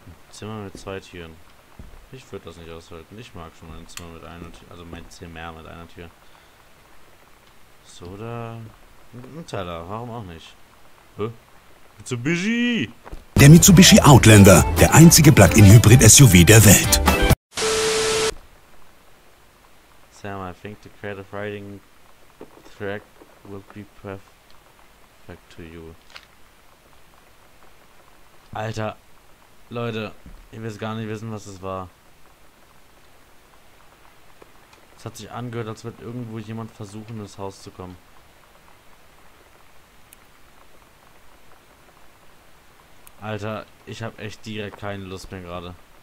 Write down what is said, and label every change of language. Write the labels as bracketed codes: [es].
[de] Zimmer mit zwei Türen. Ich würde das nicht aushalten. Ich mag schon mein Zimmer mit einer Tür. Also mein Zimmer mit einer Tür. Soda. Ein Teller. Warum auch nicht? Hä? Mitsubishi! Der Mitsubishi Outlander. Der einzige Plug-in-Hybrid-SUV der Welt. [en] Sam, I think the creative writing track will be perfect to you. [de] Alter. Leute. Ich will gar nicht wissen, was es war. Es hat sich angehört, als würde irgendwo jemand versuchen, ins Haus zu kommen. Alter, ich habe echt direkt keine Lust mehr gerade.